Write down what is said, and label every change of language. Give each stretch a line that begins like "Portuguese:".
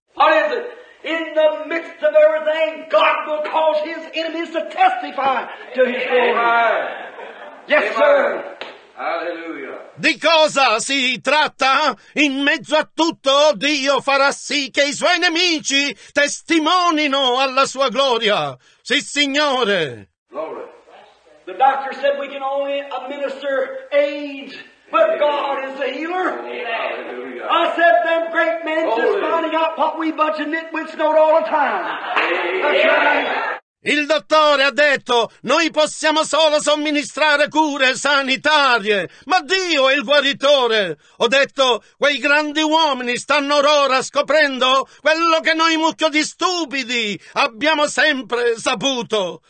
English: What is it? In the midst of everything, God will cause His enemies to testify to His glory. Amen. Yes, Sir. Alleluia.
Italian: Di cosa si tratta? In mezzo a tutto, Dio farà sì che i suoi nemici testimonino alla sua gloria. Sì, Signore.
English: Glory. The doctor said we can only administer aid, but God is the healer. Alleluia. I said them great men glory. Just finding out what we bunch of nitwits know all the time. That's right.
Italian: Il dottore ha detto, noi possiamo solo somministrare cure sanitarie, ma Dio è il guaritore. Ho detto, quei grandi uomini stanno ora scoprendo quello che noi mucchio di stupidi abbiamo sempre saputo.